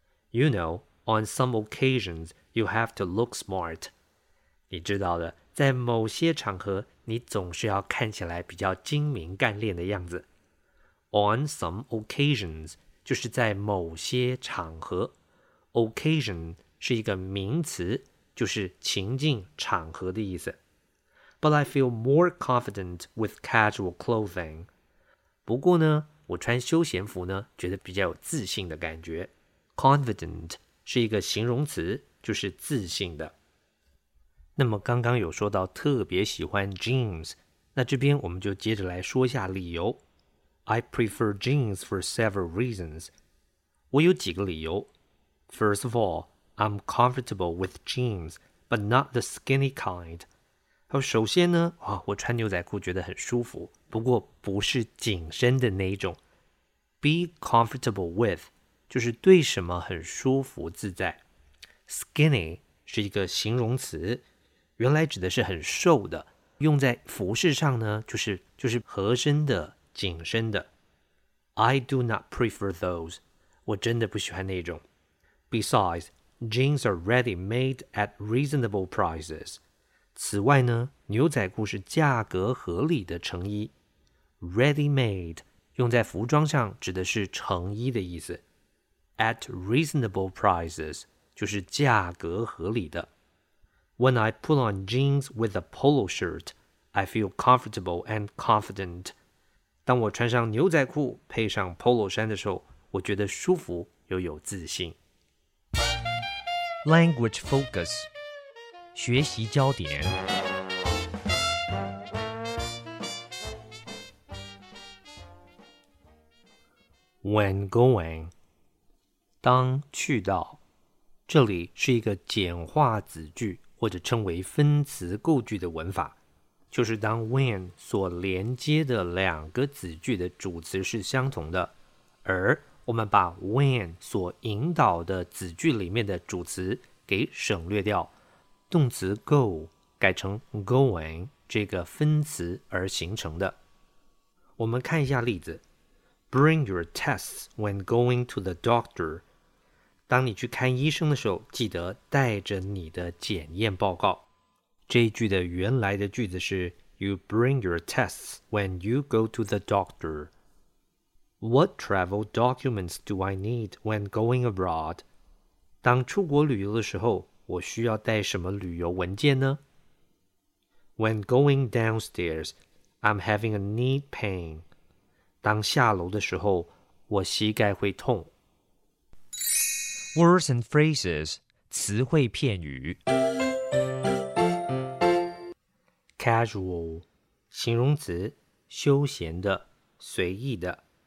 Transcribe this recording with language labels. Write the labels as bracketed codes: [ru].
[en] You know, on some occasions you have to look smart. [zh] 你知道的，在某些场合，你总是要看起来比较精明干练的样子。 [en] On some occasions [zh] 就是在某些场合。 Occasion 是一个名词，就是情境、场合的意思。 [en] But I feel more confident with casual clothing. [zh] 不过呢，我穿休闲服呢，觉得比较有自信的感觉。 Confident 是一个形容词，就是自信的。那么刚刚有说到特别喜欢 jeans， 那这边我们就接着来说一下理由。 [en] I prefer jeans for several reasons. [zh] 我有几个理由。 [en] First of all, I'm comfortable with jeans, but not the skinny kind. [zh] 首先呢，我穿牛仔裤觉得很舒服，不过不是紧身的那一种。 [en] Be comfortable with [zh] 就是对什么很舒服自在。 Skinny 是一个形容词，原来指的是很瘦的，用在服饰上呢，就是合身的、紧身的。 [en] I do not prefer those. [zh] 我真的不喜欢那种。 [en] Besides, jeans are ready-made at reasonable prices. [zh] 此外呢，牛仔裤是价格合理的成衣。 Ready-made 用在服装上指的是成衣的意思。 [en] At reasonable prices [zh] 就是价格合理的。 [en] When I put on jeans with a polo shirt, I feel comfortable and confident. [zh] 当我穿上牛仔裤配上 polo 衫的时候，我觉得舒服又有自信。 [en] Language focus， [zh] 学习焦点。 When going， 当去到，这里是一个简化子句，或者称为分词构句的文法，就是当 when 所连接的两个子句的主词是相同的，而我们把 when 所引导的子句里面的主词给省略掉，动词 go 改成 going 这个分词而形成的。我们看一下例子。 [en] Bring your tests when going to the doctor. [zh] 当你去看医生的时候，记得带着你的检验报告。这一句的原来的句子是 [en] You bring your tests when you go to the doctor. What travel documents do I need when going abroad? [zh] 当出国旅游的时候，我需要带什么旅游文件呢？ [en] When going downstairs, I'm having a knee pain. [zh] 当下楼的时候，我膝盖会痛。 [en] Words and phrases, [zh] 词汇片语。 Casual, 形容词，休闲的，随意的。